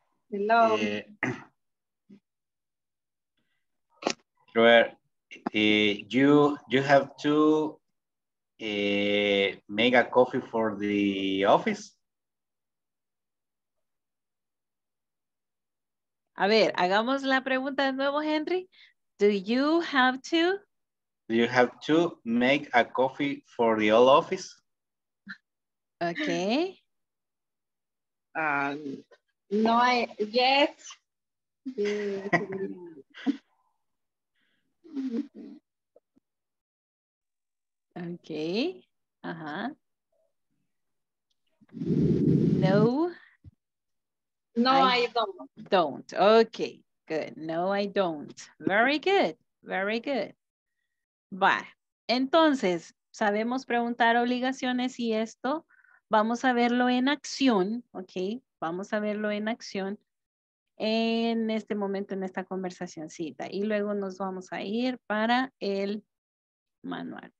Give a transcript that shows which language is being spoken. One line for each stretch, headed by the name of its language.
English: Hello. You have to make a coffee for the office?
Spanish: A ver, hagamos la pregunta de nuevo, Henry.
English: Do you have to? Do you have to make a coffee for the old office? Okay. No, I, yes. Okay. Uh-huh. No. No, I don't. Don't. Okay, good. No, I don't. Very good. Very good. Bye.
Spanish: Entonces, sabemos preguntar obligaciones y esto vamos a verlo en acción, ¿ok? Vamos a verlo en acción en este momento, en esta conversacioncita. Y luego nos vamos a ir para el manual.